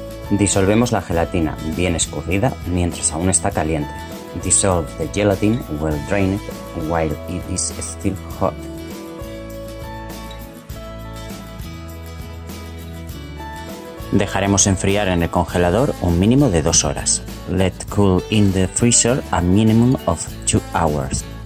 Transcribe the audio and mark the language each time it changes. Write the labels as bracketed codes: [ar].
[es] Disolvemos la gelatina bien escurrida mientras aún está caliente. [en] Dissolve the gelatin well drained while it is still hot. [es] Dejaremos enfriar en el congelador un mínimo de 2 horas. [en] Let cool in the freezer a minimum of 2 hours.